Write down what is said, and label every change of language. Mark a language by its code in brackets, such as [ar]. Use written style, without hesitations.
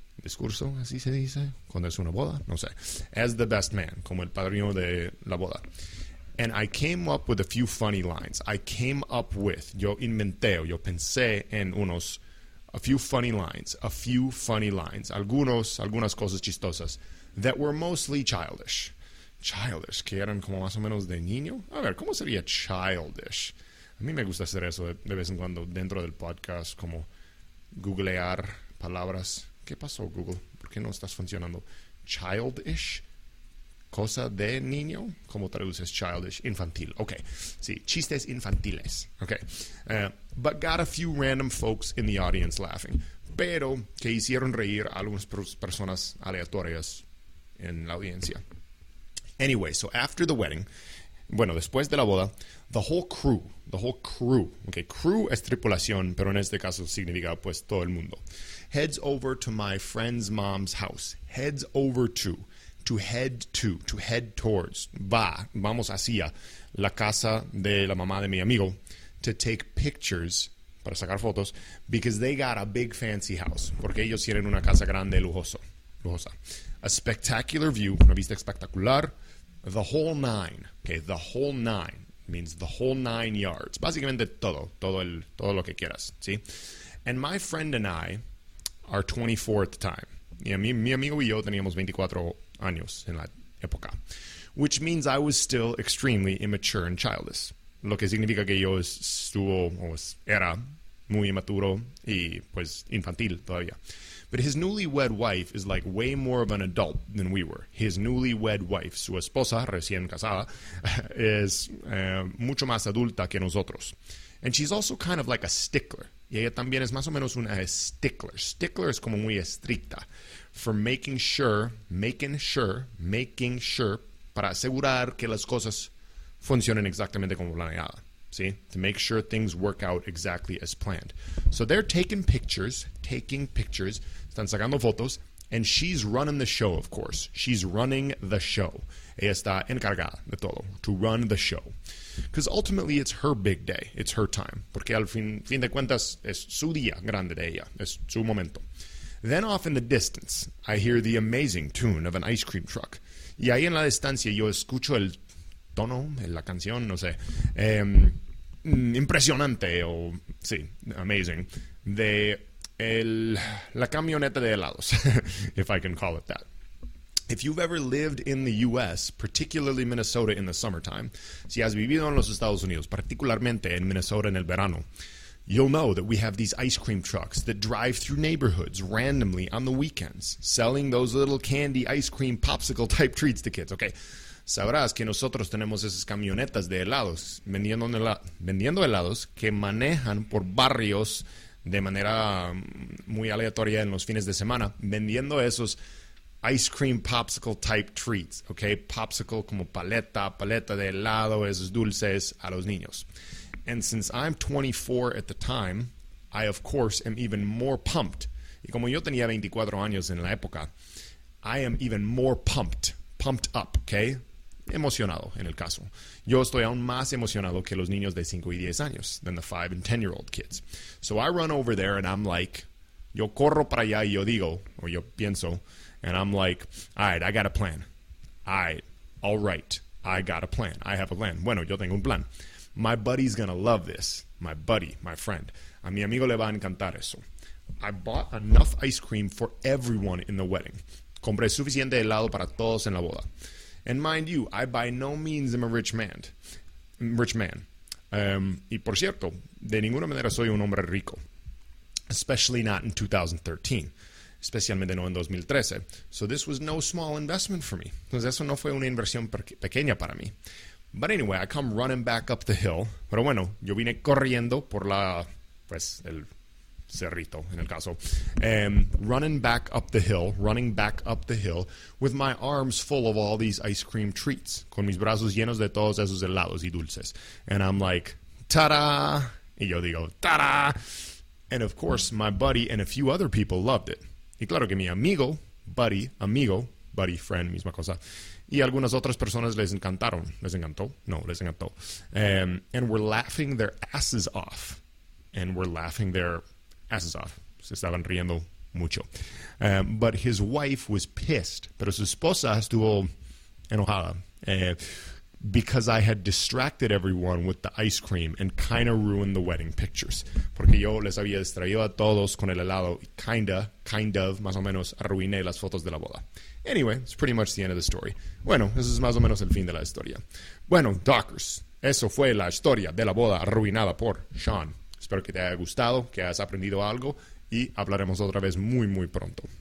[es] Discurso, así se dice, cuando es una boda, no sé. [en] As the best man, [es] como el padrino de la boda. [en] And I came up with a few funny lines. I came up with, [es] yo inventé, yo pensé en unos, [en] a few funny lines, [es] algunas cosas chistosas, [en] that were mostly childish. [es] Childish, que eran como más o menos de niño. A ver, ¿cómo sería childish? A mí me gusta hacer eso de vez en cuando dentro del podcast, como googlear palabras. ¿Qué pasó, Google? ¿Por qué no estás funcionando? Childish, cosa de niño. ¿Cómo traduces childish? Infantil. Ok, sí, chistes infantiles. [en] Ok, but got a few random folks in the audience laughing. [es] Pero que hicieron reír a algunas personas aleatorias en la audiencia. [en] Anyway, so after the wedding, [es] bueno, después de la boda, [en] the whole crew, okay, [es] crew es tripulación, pero en este caso significa pues todo el mundo, [en] heads over to my friend's mom's house, heads over to head towards, [es] va, vamos hacia la casa de la mamá de mi amigo, [en] to take pictures, [es] para sacar fotos, [en] because they got a big fancy house, [es] porque ellos tienen una casa grande, lujosa, [en] a spectacular view, [es] una vista espectacular, [en] the whole nine, okay, the whole nine means the whole nine yards. [es] Básicamente todo lo que quieras, ¿sí? [en] And my friend and I are 24 at the time. [es] Y mi amigo y yo teníamos 24 años en la época. [en] Which means I was still extremely immature and childish. [es] Lo que significa que yo era muy inmaturo y pues infantil todavía. [en] But his newlywed wife is like way more of an adult than we were. His newlywed wife, [es] su esposa, recién casada, es mucho más adulta que nosotros. [en] And she's also kind of like a stickler. [es] Y ella también es más o menos una stickler. Stickler es como muy estricta. [en] For making sure, [es] para asegurar que las cosas funcionen exactamente como planeada. [en] See, to make sure things work out exactly as planned. So they're taking pictures, [es] están sacando fotos, [en] and she's running the show, of course. She's running the show. [es] Ella está encargada de todo, [en] to run the show. Because ultimately, it's her big day. It's her time. [es] Porque al fin de cuentas, es su día grande de ella. Es su momento. [en] Then off in the distance, I hear the amazing tune of an ice cream truck. [es] Y ahí en la distancia, yo escucho el tono, la canción, no sé, impresionante o, sí, amazing, de la camioneta de helados, [en] if I can call it that. If you've ever lived in the U.S., particularly Minnesota in the summertime, [es] si has vivido en los Estados Unidos, particularmente en Minnesota en el verano, [en] you'll know that we have these ice cream trucks that drive through neighborhoods randomly on the weekends, selling those little candy ice cream popsicle type treats to kids, okay? [es] Sabrás que nosotros tenemos esas camionetas de helados, vendiendo helados que manejan por barrios de manera muy aleatoria en los fines de semana, vendiendo esos [en] ice cream popsicle type treats, [es] ¿ok? Popsicle como paleta de helado, esos dulces a los niños. [en] And since I'm 24 at the time, I of course am even more pumped. [es] Y como yo tenía 24 años en la época, [en] I am even more pumped up, [es] ¿ok? Emocionado, en el caso. Yo estoy aún más emocionado que los niños de 5 y 10 años, [en] than the 5 and 10-year-old kids. So I run over there and I'm like, [es] yo corro para allá y yo digo, o yo pienso, [en] and I'm like, all right, I got a plan. I have a plan. [es] Bueno, yo tengo un plan. [en] My buddy's gonna love this. My buddy, my friend. [es] A mi amigo le va a encantar eso. [en] I bought enough ice cream for everyone in the wedding. [es] Compré suficiente helado para todos en la boda. [en] And mind you, I by no means am a rich man. [es] Y por cierto, de ninguna manera soy un hombre rico. [en] Especially not in 2013. [es] Especialmente no en 2013. [en] So this was no small investment for me. [es] Entonces eso no fue una inversión pequeña para mí. [en] But anyway, I come running back up the hill. [es] Pero bueno, yo vine corriendo por la, pues, el cerrito, en el caso. [en] Running back up the hill with my arms full of all these ice cream treats. [es] Con mis brazos llenos de todos esos helados y dulces. [en] And I'm like, ta-da! [es] Y yo digo, ta-da! [en] And of course, my buddy and a few other people loved it. [es] Y claro que mi amigo, buddy, friend, misma cosa. Y algunas otras personas les encantó. [en] And were laughing their asses off. [es] Se estaban riendo mucho. [en] But his wife was pissed. [es] Pero su esposa estuvo enojada. [en] Because I had distracted everyone with the ice cream and kind of ruined the wedding pictures. [es] Porque yo les había distraído a todos con el helado y [en] kind of, [es] más o menos, arruiné las fotos de la boda. [en] Anyway, it's pretty much the end of the story. [es] Bueno, eso es más o menos el fin de la historia. Bueno, Dockers, Eso fue la historia de la boda arruinada por Sean. Espero que te haya gustado, que hayas aprendido algo, y hablaremos otra vez muy, muy pronto.